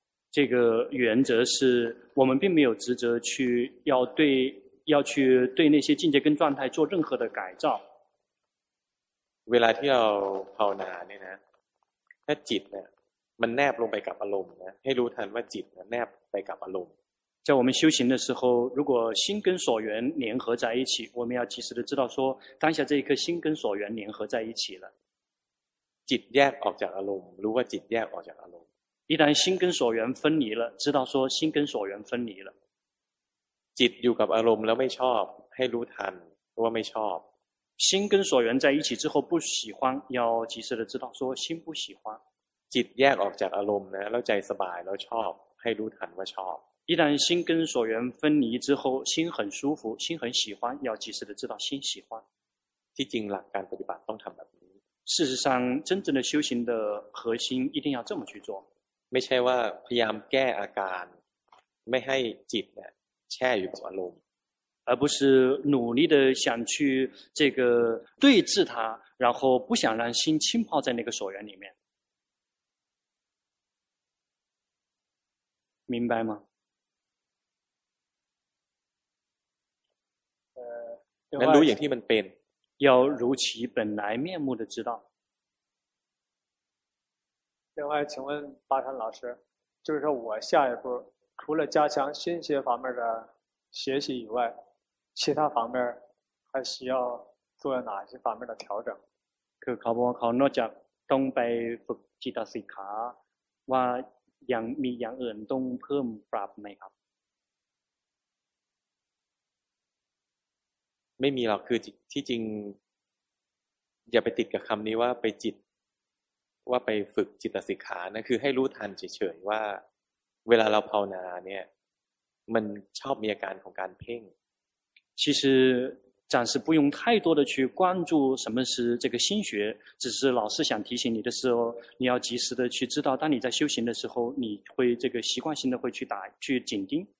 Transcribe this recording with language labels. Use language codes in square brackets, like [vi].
[zh] 这个原则是我们并没有职责去要对要去对那些境界跟状态做任何的改造 [th] เวลาที่เราภาวนาเนี่ยนะถ้าจิตเนี่ยมันแนบลงไปกับอารมณ์นะให้รู้ทันว่าจิตแนบไปกับอารมณ์ [zh] 在我们修行的时候如果心跟所缘联合在一起我们要及时的知道说当下这一颗心跟所缘联合在一起了 [th] จิตแยกออกจากอารมณ์รู้ว่าจิตแยกออกจากอารมณ์ [zh] 一旦心跟所缘分离了知道说心跟所缘分离了 [th] จิตอยู่กับอารมณ์แล้วไม่ชอบให้รู้ทันว่าไม่ชอบ [zh] 心跟所缘在一起之后不喜欢要及时的知道说心不喜欢 [th] จิตแยกออกจากอารมณ์นะแล้วใจสบายแล้วชอบให้รู้ทันว่าชอบ [zh] 一旦心跟所缘分离之后心很舒服心很喜欢要及时的知道心喜欢 [th] ที่จริงหลักการปฏิบัติต้องทำแบบนี้ [zh] 事实上真正的修行的核心一定要这么去做 [th] ไม่ใช่ว่าพยายามแก้อาการไม่ให้จิตเนี่ยแช่อยู่กับอารมณ์ [zh] 而不是努力的想去这个对治它然后不想让心浸泡在那个所缘里面明白吗？能如眼睛们变，要如其本来面目的知道。另外，请问巴山老师，就是我下一步除了加强心学方面的学习以外，其他方面还需要做哪些方面的调整？ [th] คือเขาบอกเขาโน้ตจะต้องไปฝึกจิตสิกขาว่ายังมีอย่างอื่นต้องเพิ่มปรับไหมครับ ไม่มีหรอกคือที่จริงอย่าไปติดกับคำนี้ว่าไปจิตว่าไปฝึกจิตสิกขานะคือให้รู้ทันเฉยๆว่าเวลาเราภาวนาเนี่ยมันชอบมีอาการของการเพ่ง [zh] 其实暂时不用太多的去关注什么是这个心学只是老师想提醒你的时候你要及时的去知道当你在修行的时候你会这个习惯性的会去打去紧盯